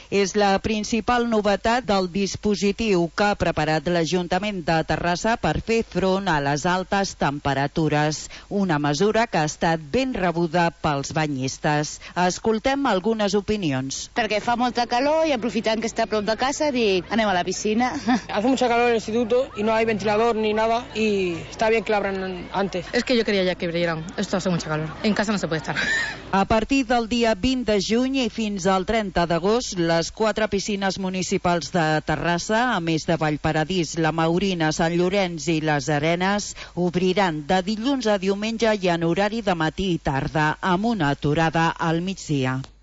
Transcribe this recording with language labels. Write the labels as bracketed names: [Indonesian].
[Catalan] És la principal novetat del dispositiu que ha preparat l'Ajuntament de Terrassa per fer front a les altes temperatures. Una mesura que ha estat ben rebuda pels banyistes. Escoltem algunes opinions. Perquè fa molta calor i aprofitant que està a prop de casa dic, anem a la piscina. [Spanish] Hace mucha calor en el instituto y no hay ventilador ni nada y está bien que lo abran antes. Es que yo quería ya que abrieran. Esto hace mucha calor. En casa no se puede estar. [Catalan] A partir del dia 20 de juny i fins al 30 d'agost, les quatre piscines municipals de Terrassa, a més de Vallparadís, la Maurina, Sant Llorenç i les Arenes, obriran de dilluns a diumenge i en horari de matí i tarda, amb una aturada al migdia.